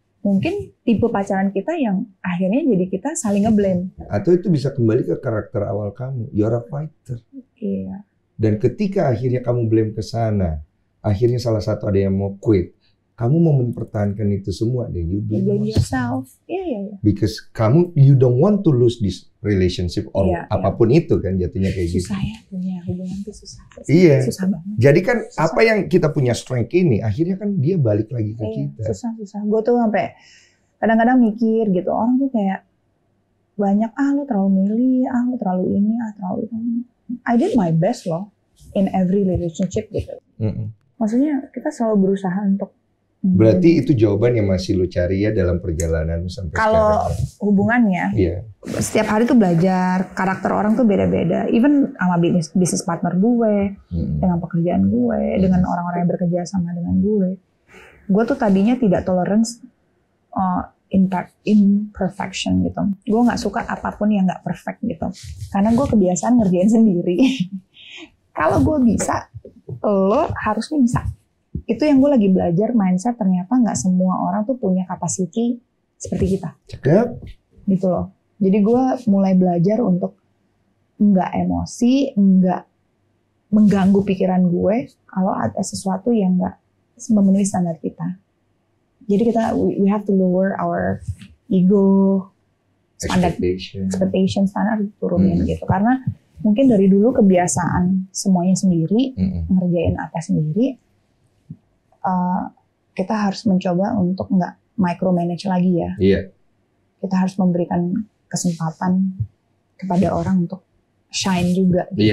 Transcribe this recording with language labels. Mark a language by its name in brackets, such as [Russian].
[Indonesian] Mungkin tipe pacaran kita yang akhirnya jadi kita saling nge-blame. Atau itu bisa kembali ke karakter awal kamu. [English] You're a fighter. [Indonesian] Iya. Dan ketika akhirnya kamu blame ke sana, akhirnya salah satu ada yang mau quit. Kamu mau mempertahankan itu semua. [English] Then you blame yourself. Yourself. Yeah, yeah, yeah. Because [Indonesian] kamu, [English] you don't want to lose this relationship or yeah, apapun yeah. [Indonesian] itu kan jatuhnya kayak susah gitu. Susah ya punya hubungan itu susah. Iya. Susah banget. Jadi kan susah. Apa yang kita punya strength ini, akhirnya kan dia balik lagi ke kita. Susah. Gue tuh sampai kadang-kadang mikir gitu. Orang tuh kayak banyak, ah lu terlalu milih, ah lu terlalu ini, ah terlalu itu. [English] I did my best loh in every relationship gitu. Mm-mm. [Indonesian] Maksudnya kita selalu berusaha untuk. Berarti itu jawaban yang masih lu cari ya dalam perjalanan sampai kalau sekarang. Kalau hubungannya, [English] yeah. [Indonesian] Setiap hari tuh belajar, karakter orang tuh beda-beda. Even sama bisnis partner gue, dengan pekerjaan gue, dengan orang-orang yang bekerja sama dengan gue. Gue tuh tadinya tidak [English] tolerance imperfection [Indonesian] gitu. Gue gak suka apapun yang gak perfect gitu. Karena gue kebiasaan ngerjain sendiri. Kalau gue bisa, lo harusnya bisa. Itu yang gue lagi belajar mindset, ternyata gak semua orang tuh punya capacity seperti kita. Cakep. Gitu loh. Jadi gue mulai belajar untuk gak emosi, gak mengganggu pikiran gue kalau ada sesuatu yang gak memenuhi standar kita. Jadi kita, [English] we have to lower our ego, standard, expectation [Indonesian] standar turunin gitu. Karena mungkin dari dulu kebiasaan semuanya sendiri, ngerjain apa sendiri, kita harus mencoba untuk nggak micromanage lagi ya. Iya. Kita harus memberikan kesempatan kepada orang untuk shine juga. Gitu.